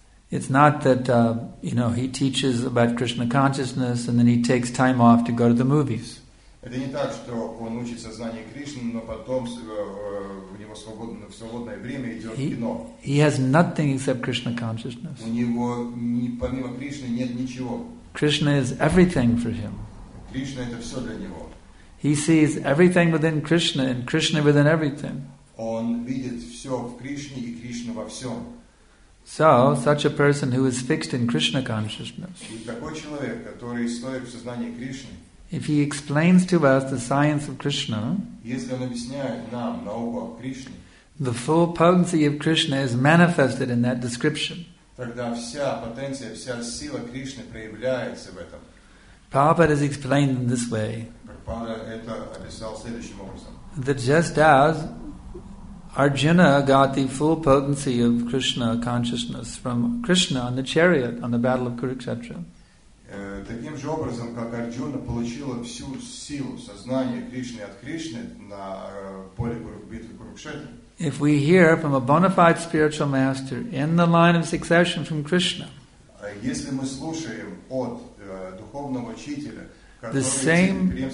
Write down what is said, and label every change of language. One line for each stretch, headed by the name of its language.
English: It's not that, he teaches about Krishna consciousness and then he takes time off to go to the movies.
Russian: Это не так, что он учится знанию Кришны, но потом у него свободное время идет в кино.
English: He has nothing except Krishna consciousness.
Russian: У него помимо Кришны нет ничего.
English: Krishna is everything for him.
Russian: Кришна это все для него.
English: He sees everything within Krishna and Krishna within everything.
Russian: Он видит все в Кришне и Кришна во всем.
English: So, such a person who is fixed in Krishna consciousness.
Russian: И такой человек, который стоит в сознании Кришны.
English: If he explains to us the science of Krishna,
Russian: если он объясняет нам науку о Кришне,
English: the full potency of Krishna is manifested in that description.
Russian: Тогда вся потенция, вся сила Кришны проявляется в этом.
English: Prabhupada has explained in this way.
Russian: Прабхупада это описал следующим образом.
English: That just as Arjuna got the full potency of Krishna consciousness from Krishna on the chariot on the battle of Kurukshetra.
Russian: Таким же образом, как Арджуна получила всю силу сознания Кришны от Кришны на поле битвы Курукшетры.
English: If we hear from a bona fide spiritual master in the line of succession from Krishna,
Russian: если мы слушаем от духовного учителя,
English: the same